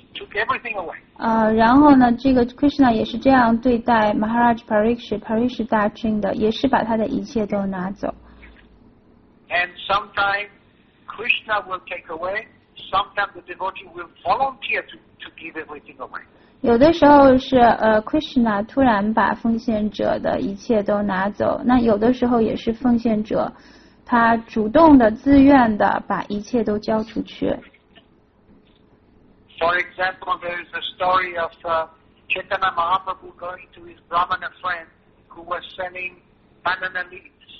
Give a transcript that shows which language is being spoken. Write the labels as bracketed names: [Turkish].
[English] Took everything away. [Chinese] 然后呢，这个 Krishna 也是这样对待 Maharaj Parikshit, Parikshit 大君的，也是把他的一切都拿走。 [English] And sometimes Krishna will take away, sometimes the devotee will volunteer to give everything away. [Chinese] 有的时候是Krishna 突然把奉献者的一切都拿走，那有的时候也是奉献者他主动的自愿的把一切都交出去。 [English] For example, there is a story of Chaitanya Mahaprabhu going to his Brahmana friend who was selling banana leaves.